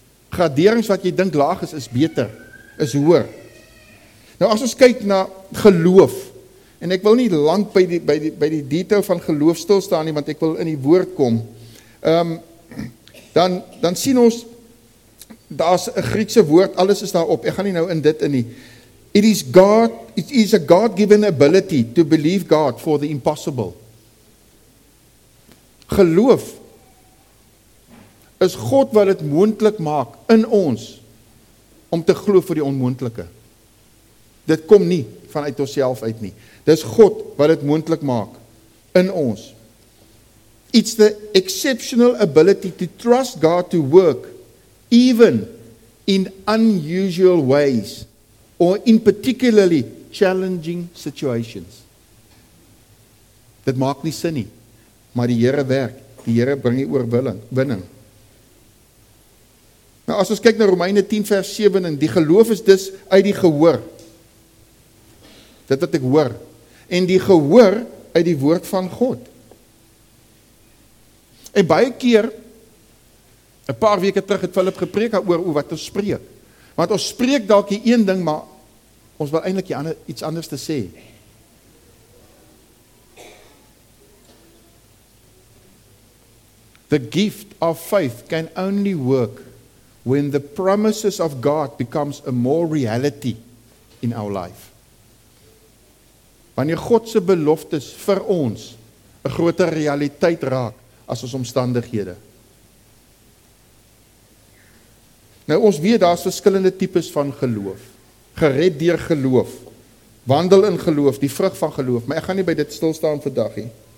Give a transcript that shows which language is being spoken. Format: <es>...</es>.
<af>Graderings wat jy dink laag is, is beter, is hoër. Nou as ons kyk na geloof, en ek wil nie lank by die detail van geloof stilstaan nie, want ek wil in die woord kom, dan sien ons, daar is 'n Griekse woord, alles is daarop, ek gaan nie nou in dit in nie,</af> <en>It is a God-given ability to believe God for the impossible.</en> <af>Geloof is God wat het moontlik maak in ons om te glo vir die onmoontlike. Dit kom nie vanuit onsself uit nie. Dis God wat het moontlik maak in ons.</af> <en>It's the exceptional ability to trust God to work even in unusual ways. Or in particularly challenging situations.</en> <af>Dit maak nie sin nie, maar die Here werk, die Here bring die oorwinning. Nou as ons kyk na Romeine 10 vers 7, en die geloof is dus uit die gehoor, dit wat ek hoor, en die gehoor uit die woord van God. En baie keer, 'n paar weke terug het Philip gepreek oor hoe wat ons spreek, want ons spreek dalk die een ding, maar ons wil eintlik iets anders te sê.</af> <en>The gift of faith can only work when the promises of God becomes a more reality in our life.</en> <af>Wanneer God se beloftes vir ons 'n groter realiteit raak as ons omstandighede. Nou ons weet daar's verskillende tipes van geloof. Gered deur geloof. Wandel in geloof, die vrug van geloof. Maar ek gaan nie by dit stilstaan vandag nie.</af>